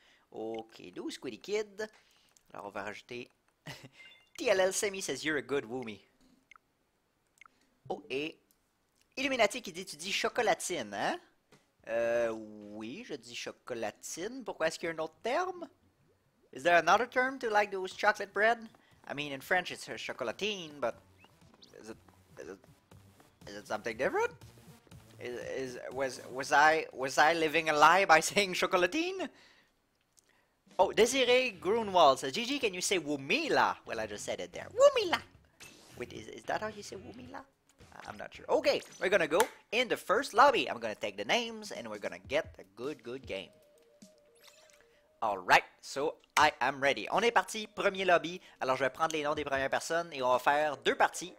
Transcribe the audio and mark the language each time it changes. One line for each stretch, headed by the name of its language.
French: Ok, nous, Squiddy Kid. Alors, on va rajouter.
English: TLL Semi says you're a good Woomy. Oh, et.
French: Illuminati qui dit tu dis chocolatine, hein? Oui, je dis chocolatine. Pourquoi est-ce qu'il y a un autre terme?
English: Is there another term to like those chocolate bread? I mean, in French, it's a chocolatine, but is it something different? Was I living a lie by saying chocolatine? Oh, Desiree Grunewald says, Gigi, can you say woomila? Well, I just said it there. Woomila! Wait, is that how you say woomila? I'm not sure. Okay, we're gonna go in the first lobby. I'm gonna take the names, and we're gonna get a good game. Alright, so I am ready.
French: On est parti, premier lobby. Alors, je vais prendre les noms des premières personnes, et on va faire deux parties.